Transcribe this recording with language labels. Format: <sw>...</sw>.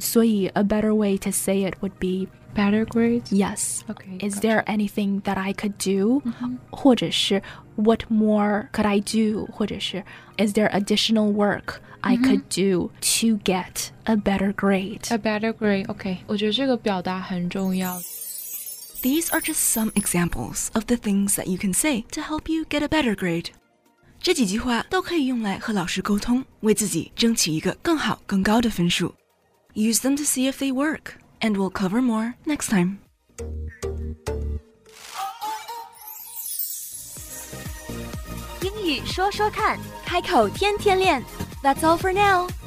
<zh>所以</zh> <en>a better way to say it would beBetter grades? Yes. Okay, is there anything that I could do?、</en> <zh>或者是</zh> <en>what more could I do?</en> <zh>或者是</zh> <en>is there additional work I could do to get a better grade? A better grade, okay.</en> <zh>我觉得这个表达很重要。</zh> <en>These are just some examples of the things that you can say to help you get a better grade.</en> <zh>这几句话都可以用来和老师沟通，为自己争取一个更好更高的分数。</zh> <en>Use them to see if they work. And we'll cover more next time. English,</en> <zh>说说看，开口天天练。</zh> <en>That's all for now.</en>